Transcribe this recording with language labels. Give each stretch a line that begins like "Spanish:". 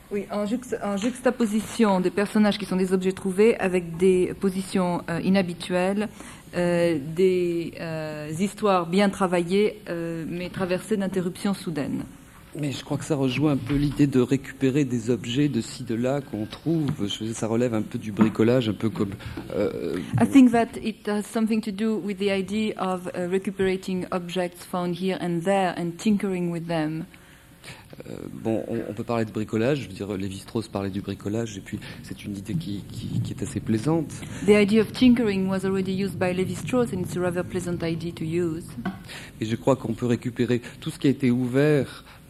French: en juxtaposition des personnages qui sont des objets trouvés avec des positions inhabituelles, des histoires bien travaillées, mais traversées d'interruptions soudaines. Mais je crois que ça rejoint un peu l'idée de récupérer des objets de ci, de là, qu'on trouve. Ça relève un peu du bricolage, un peu comme...
English: I think that it has something to do with the idea of recuperating objects found here and there and tinkering with them.
French: Bon, on peut parler de bricolage. Je veux dire, Lévi-Strauss parlait du bricolage, et puis c'est une idée qui est assez plaisante.
English: The idea of tinkering was already used by Lévi-Strauss, and it's a rather pleasant idea to use.
French: Et je crois qu'on peut récupérer tout ce qui a été ouvert...